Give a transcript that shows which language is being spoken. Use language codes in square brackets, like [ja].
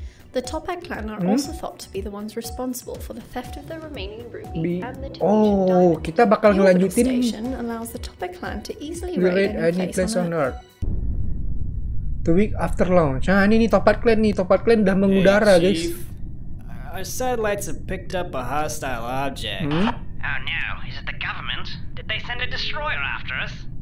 [en] The Topak clan are also thought to be the ones responsible for the theft of the remaining ruby and the Tungeon diamond. [id] Kita bakal ngelanjutin. [en] The station allows the Topak clan to easily raid any place on earth. 2 week after launch. [id] Nah, ini Topak clan udah mengudara, [en] hey, guys. Our satellites have picked up a hostile object. Oh no, is it the government? Did they send a destroyer after us?